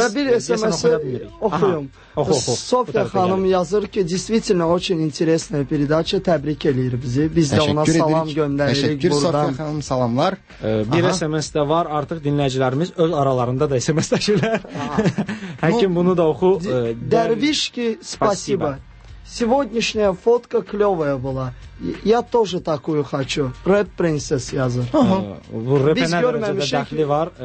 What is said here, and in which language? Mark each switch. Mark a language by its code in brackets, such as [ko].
[az] Və bir SMS-i oxuyum. Sofya xanım yazır ki, [ru] действительно, очень интересная передача, [az] təbrik eləyir bizi. Biz də ona salam göndəririk buradan. Təşəkkür Sofya xanım, salamlar. Bir SMS-də var, artıq dinləyicilərimiz öz aralarında da SMS-dəşirlər. Həkim bunu da oxu. [ru] Дервишки, спасибо. Сегодняшняя фотка клёвая была. Я тоже такую хочу. Red Princess [az] yazır. Bu rap-ə nə dərəcədə dəxli var?